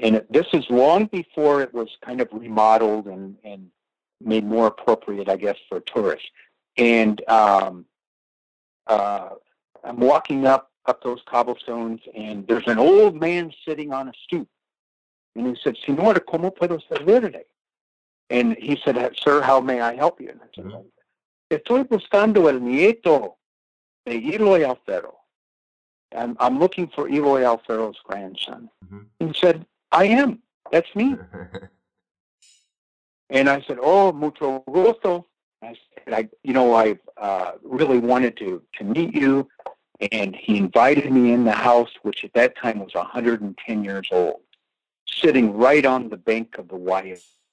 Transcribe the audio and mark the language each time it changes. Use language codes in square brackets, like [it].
[en] This is long before it was kind of remodeled and made more appropriate, I guess, for tourists. And I'm walking up those cobblestones, and there's an old man sitting on a stoop. And he said, [es] "Señor, ¿cómo puedo servirle?" [en] And he said, "Sir, how may I help you?" And I said, mm-hmm. [es] "Estoy buscando el nieto de Eloy Alfaro. [en] I'm looking for Eloy Alfaro's grandson." Mm-hmm. He said, "I am. That's me." And I said, "Oh, [es] mucho gusto." [en] I said, I really wanted to meet you. And he invited me in the house, which at that time was 110 years old, sitting right on the bank of the Guayas.